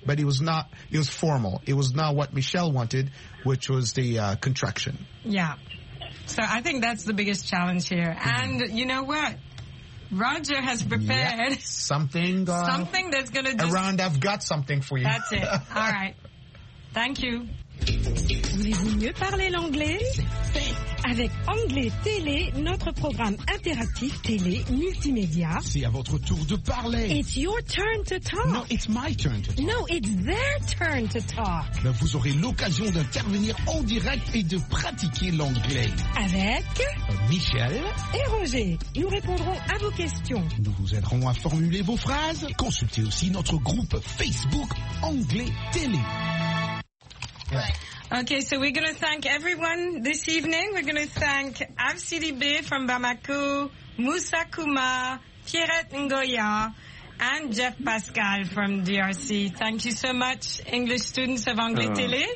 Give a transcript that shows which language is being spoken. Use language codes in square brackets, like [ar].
[en] But it was not, it was formal. It was not what Michelle wanted, which was the contraction. Yeah. So I think that's the biggest challenge here. Mm-hmm. And you know what? Roger has prepared something that's going to do. Around, I've got something for you. That's it. All right. Thank you. [fr] Voulez-vous mieux parler l'anglais? Avec Anglais Télé, notre programme interactif télé multimédia. C'est à votre tour de parler. [en] It's your turn to talk. No, it's my turn to talk. No, it's their turn to talk. [fr] Ben, vous aurez l'occasion d'intervenir en direct et de pratiquer l'anglais. Avec Michel et Roger. Nous répondrons à vos questions. Nous vous aiderons à formuler vos phrases. Et consultez aussi notre groupe Facebook Anglais Télé. [en] Okay, so we're going to thank everyone this evening. We're going to thank Avsidi B from Bamako, Musa Kuma, Pierrette Ngoya, and Jeff Pascal from DRC. Thank you so much, English students of Anglais Télé.